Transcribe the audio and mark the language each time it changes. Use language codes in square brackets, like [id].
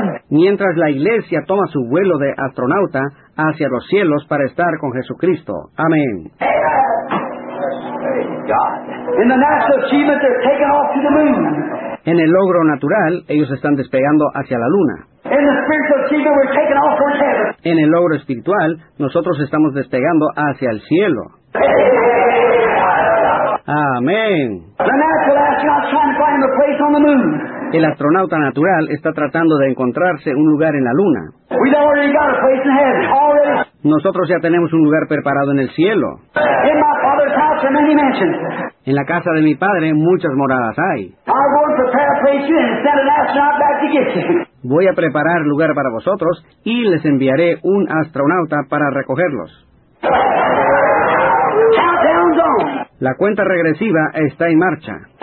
[es] Mientras la iglesia toma su vuelo de astronauta hacia los cielos para estar con Jesucristo. Amén. [en] In the natural achievement, they're taking off to the moon. [es] En el logro natural, ellos están despegando hacia la luna. [en] In the spiritual achievement, we're taking off towards heaven. [es] En el logro espiritual, nosotros estamos despegando hacia el cielo. Amén. [en] The natural astronaut is trying to find a place on the moon. [es] El astronauta natural está tratando de encontrarse un lugar en la luna. [en] We've already got a place in heaven. Already. [es] Nosotros ya tenemos un lugar preparado en el cielo. [en] In my father's house are many mansions. [es] En la casa de mi padre muchas moradas hay. [en] I've going to prepare a place for you and send an astronaut back to get you. [es] Voy a preparar lugar para vosotros y les enviaré un astronauta para recogerlos. [en] Countdown's on. [es] La cuenta regresiva está en marcha.